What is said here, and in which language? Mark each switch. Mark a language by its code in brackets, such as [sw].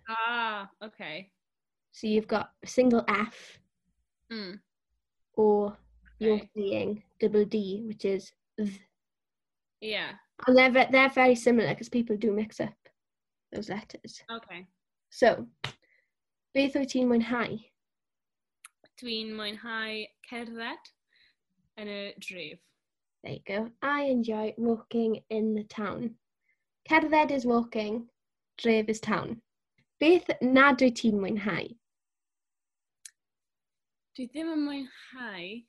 [en] Ah, okay. So you've got a single F, or you're saying double D, which is v. Yeah. And they're very similar, because people do mix up those letters. Okay. [cy] So, beth wyt ti'n mwynhau? Dwi'n mwynhau cerdded yn y dref. [en] There you go. I enjoy walking in the town. Cerdded is walking, dref is town. [cy] Beth nad wyt ti'n mwynhau? Dwi ddim yn mwynhau.